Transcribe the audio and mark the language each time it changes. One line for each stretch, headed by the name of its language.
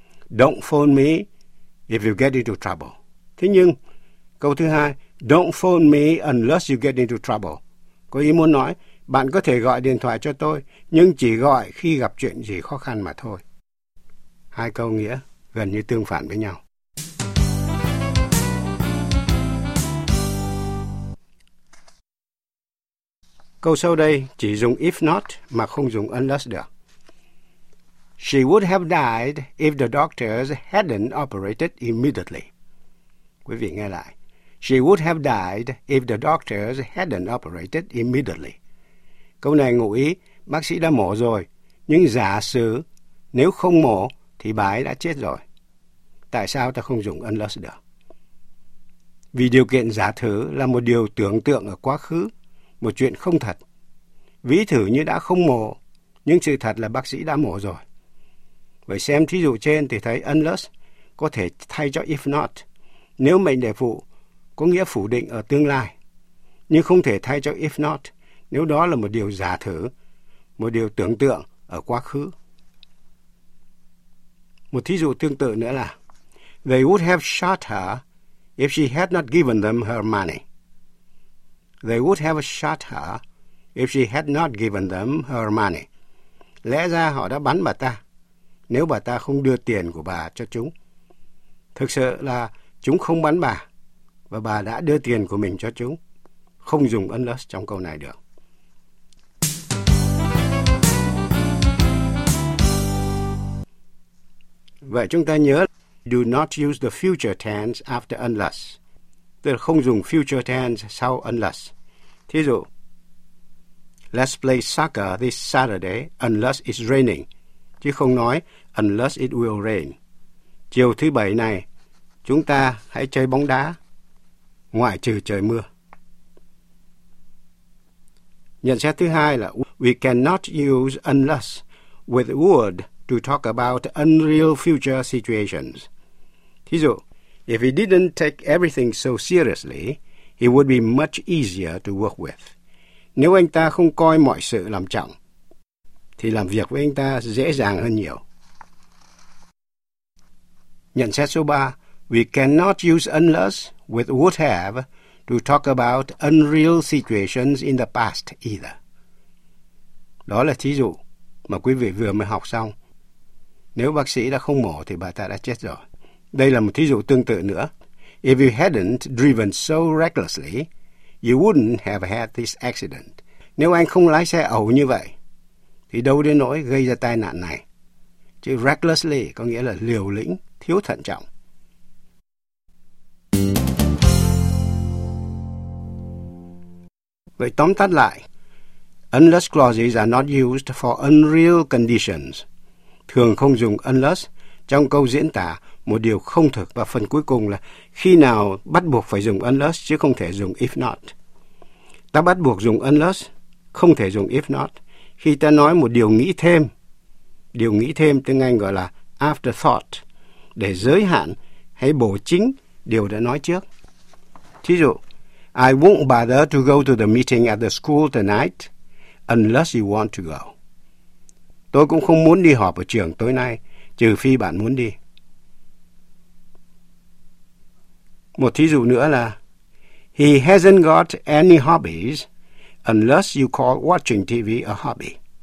English: Don't phone me if you get into trouble.
Vietnamese: Thế nhưng, câu thứ hai,
English: don't phone me unless you get into trouble.
Vietnamese: Có ý muốn nói, bạn có thể gọi điện thoại cho tôi, nhưng chỉ gọi khi gặp chuyện gì khó khăn mà thôi. Hai câu nghĩa gần như tương phản với nhau. Câu sau đây chỉ dùng if not mà không dùng unless được.
English: She would have died if the doctors hadn't operated immediately.
Vietnamese: Quý vị nghe lại.
English: She would have died if the doctors hadn't operated immediately.
Vietnamese: Câu này ngụ ý bác sĩ đã mổ rồi, nhưng giả sử nếu không mổ thì bà ấy đã chết rồi. Tại sao ta không dùng unless được? Vì điều kiện giả thử là một điều tưởng tượng ở quá khứ, một chuyện không thật. Ví thử như đã không mổ, nhưng sự thật là bác sĩ đã mổ rồi. Vậy xem thí dụ trên thì thấy unless có thể thay cho if not, nếu mệnh đề phụ có nghĩa phủ định ở tương lai, nhưng không thể thay cho if not nếu đó là một điều giả thử, một điều tưởng tượng ở quá khứ. Một thí dụ tương tự nữa là
English: They would have shot her if she had not given them her money. They would have shot her if she had not given them her money.
Vietnamese: Lẽ ra họ đã bắn bà ta nếu bà ta không đưa tiền của bà cho chúng. Thực sự là chúng không bắn bà và bà đã đưa tiền của mình cho chúng. Không dùng unless trong câu này được. Vậy chúng ta nhớ
English: do not use the future tense after unless.
Vietnamese: Tức là không dùng future tense sau unless.
English: Thí dụ, let's play soccer this Saturday unless it's raining.
Vietnamese: Chứ không nói
English: unless it will rain.
Vietnamese: chiều thứ bảy này chúng ta hãy chơi bóng đá, ngoại trừ trời mưa. Nhận xét thứ hai là
English: we cannot use unless with would to talk about unreal future situations.
Vietnamese: Thí dụ,
English: if he didn't take everything so seriously, he would be much easier to work with.
Vietnamese: Nếu anh ta không coi mọi sự làm trọng, thì làm việc với anh ta dễ dàng hơn nhiều. Nhận xét số 3,
English: we cannot use unless with would have to talk about unreal situations in the past either.
Vietnamese: Đó là thí dụ mà quý vị vừa mới học xong. Nếu bác sĩ đã không mổ thì bà ta đã chết rồi. Đây là một thí dụ tương tự nữa.
English: If you hadn't driven so recklessly, you wouldn't have had this accident.
Vietnamese: Nếu anh không lái xe ẩu như vậy, thì đâu đến nỗi gây ra tai nạn này. Chữ recklessly có nghĩa là liều lĩnh, thiếu thận trọng. Vậy tóm tắt lại,
English: unless clauses are not used for unreal conditions.
Vietnamese: Thường không dùng unless trong câu diễn tả một điều không thực, và phần cuối cùng là khi nào bắt buộc phải dùng unless chứ không thể dùng if not. Ta bắt buộc dùng unless, không thể dùng if not khi ta nói một điều nghĩ thêm. Điều nghĩ thêm tiếng Anh gọi là afterthought, để giới hạn hay bổ chính điều đã nói trước. Thí dụ,
English: I won't bother to go to the meeting at the school tonight unless you want to go.
Vietnamese: Tôi cũng không muốn đi họp ở trường tối nay, trừ phi bạn muốn đi. Một thí dụ nữa là
English: he hasn't got any hobbies unless you call watching TV a hobby.